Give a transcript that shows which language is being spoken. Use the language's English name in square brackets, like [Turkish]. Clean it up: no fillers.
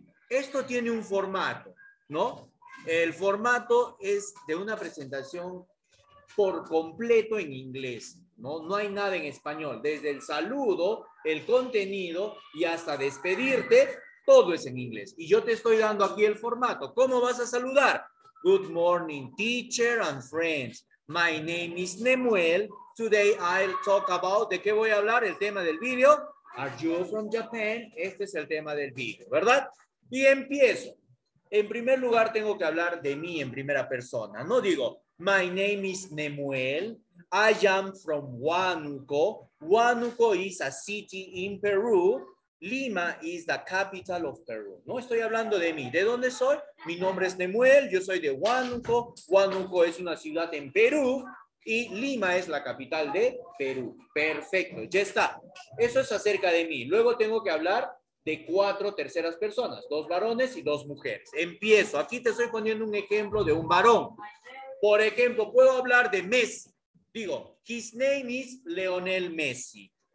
[Spanish] Esto tiene un formato, ¿no? El formato es de una presentación por completo en inglés, ¿no? No hay nada en español. Desde el saludo, el contenido y hasta despedirte, todo es en inglés. Y yo te estoy dando aquí el formato. ¿Cómo vas a saludar? [English] Good morning, teacher and friends. My name is Nemuel. Today I'll talk about... [Spanish] ¿De qué voy a hablar? El tema del video. [English] Are you from Japan? [Spanish] Este es el tema del video, ¿verdad? Y empiezo. En primer lugar, tengo que hablar de mí en primera persona. No digo, [English] my name is Nemuel. I am from Huánuco. Huánuco is a city in Peru. Lima is the capital of Peru. [Spanish] No estoy hablando de mí. ¿De dónde soy? Mi nombre es Nemuel. Yo soy de Huánuco. Huánuco es una ciudad en Perú. Y Lima es la capital de Perú. Perfecto. Ya está. Eso es acerca de mí. Luego tengo que hablar de 4 terceras personas. 2 varones y 2 mujeres. Empiezo. Aquí te estoy poniendo un ejemplo de un varón. Por ejemplo, puedo hablar de Messi. Digo, [English] his name is Lionel Messi.